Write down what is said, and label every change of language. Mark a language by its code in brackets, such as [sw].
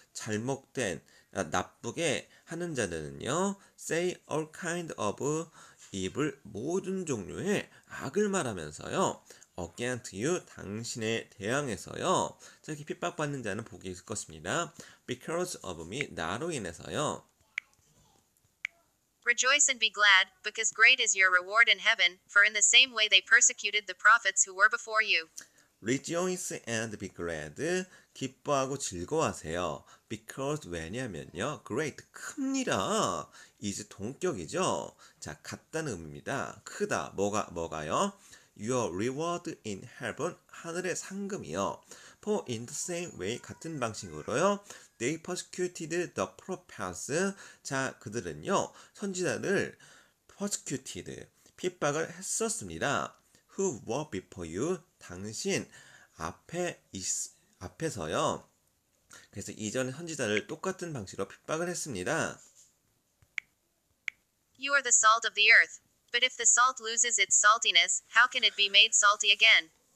[ko] 잘못된, 나쁘게 하는 자들은요. [en] Say all kind of evil, [ko] 모든 종류의 악을 말하면서요. [en] Against you, [ko] 당신에 대항해서요. 특히 핍박받는 자는 복이 있을 것입니다. [en] Because of me, [ko] 나로 인해서요. [en] Rejoice and be glad, because great is your reward in heaven, for in the same way they persecuted the prophets who were before you. Rejoice and be glad, [ko] 기뻐하고 즐거워하세요. [en] Because, [ko] 왜냐면요, [en] great, [ko] 큽니다. is 동격이죠. 자, 같다는 의미입니다. 크다, 뭐가요? [en] Your reward in heaven, [ko] 하늘의 상금이요. [en] For in the same way, [ko] 같은 방식으로요. [en] They persecuted the prophets. [ko] 자, 그들은요. 선지자를 persecuted, 핍박을 했었습니다. [en] Who were before you? [ko] 당신 앞에서요. 그래서 이전의 선지자를 똑같은 방식으로 핍박을 했습니다. [en] You are the salt of the earth. But if the salt loses its saltiness, how can it be made salty again?